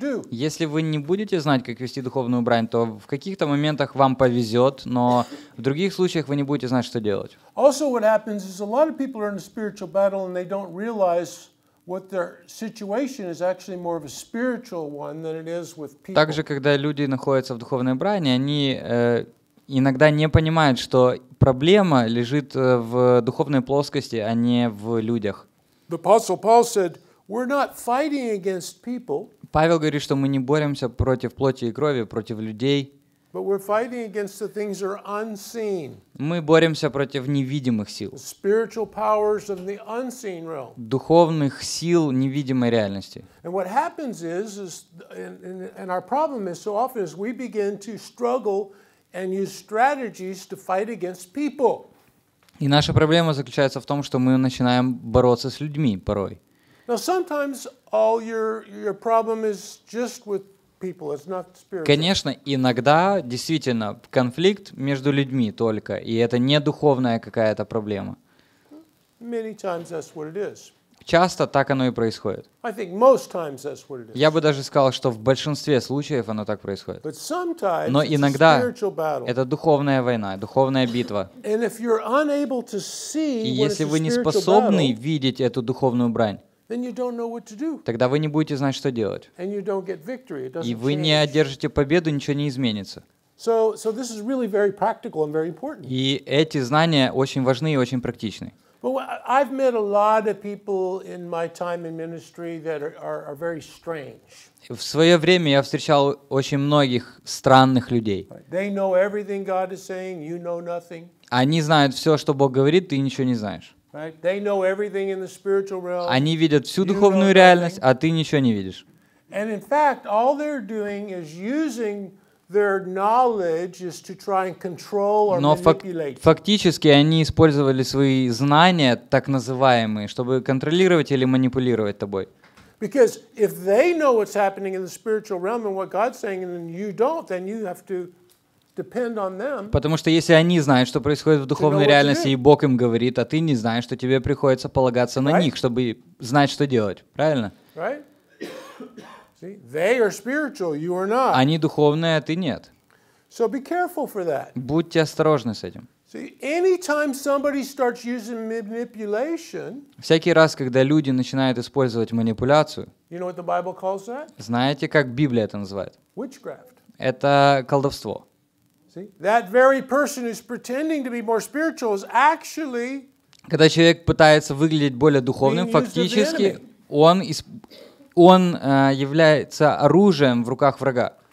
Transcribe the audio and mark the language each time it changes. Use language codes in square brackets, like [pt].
[ru] Если вы не будете знать, как вести духовную брань, то в каких-то моментах вам повезет, но в других случаях вы не будете знать, что делать. [en] Also, what happens is a lot of people are in a spiritual battle and they don't realize what their situation is actually more of a spiritual one than it is with people. [ru] Также, когда люди находятся в духовной брани, они иногда не понимают, что проблема лежит в духовной плоскости, а не в людях. [en] The Apostle Paul said, "We're not fighting against people." [ru] Павел говорит, что мы не боремся против плоти и крови, против людей. [en] But we're fighting against the things that are unseen. [ru] Мы боремся против невидимых сил. [en] The spiritual powers of the unseen realm. [ru] Духовных сил невидимой реальности. [en] And what happens is our problem is so often is we begin to struggle and use strategies to fight against people. [ru] И наша проблема заключается в том, что мы начинаем бороться с людьми порой. [en] Now sometimes all your problem is just with people, it's not spiritual. [ru] Конечно, иногда действительно конфликт между людьми только, и это не духовная какая-то проблема. [en] Many times that's what it is. [ru] Часто так оно и происходит. [en] I think most times that's what it is. [ru] Я бы даже сказал, что в большинстве случаев оно так происходит. [en] But sometimes [ru] Но иногда [en] it's a spiritual battle. [ru] Это духовная война, духовная битва. [en] And if you're unable to see [ru] и если вы не способны видеть эту духовную брань, [en] then you don't know what to do. [ru] Тогда вы не будете знать, что делать. [en] And you don't get victory. It doesn't [ru] и вы не одержите победу, ничего не изменится. [en] So this is really very practical and very important. [ru] И эти знания очень важны и очень практичны. [en] I've met a lot of people in my time in ministry that are very strange. [ru] В свое время я встречал очень многих странных людей. [en] They know everything God is saying, you know nothing. [ru] Они знают все, что Бог говорит, ты ничего не знаешь. [en] Right? They know everything in the spiritual realm. [ru] Они видят всю духовную реальность, а ты ничего не видишь. [en] And in fact, all they're doing is using their knowledge is to try and control or manipulate. [ru] Но фактически они использовали свои знания, так называемые, чтобы контролировать или манипулировать тобой. [en] Because if they know what's happening in the spiritual realm and what God's saying, and then you don't, then you have to depend on them. [ru] Потому что если они знают, что происходит в духовной реальности, и Бог им говорит, а ты не знаешь, то тебе приходится полагаться на них, чтобы знать, что делать. Правильно? [en] Right? See, they are spiritual, you are not. [ru] Они духовные, а ты нет. [en] So be careful for that. [ru] Будьте осторожны с этим. [en] See, anytime somebody starts using manipulation, [ru] всякий раз, когда люди начинают использовать манипуляцию, [en] you know what the Bible calls that? [ru] Знаете, как Библия это называет? [en] Witchcraft. [ru] Это колдовство. [en] That very person who's pretending to be more spiritual is actually. [ru] Когда человек пытается выглядеть более духовным, фактически он является оружием в руках врага.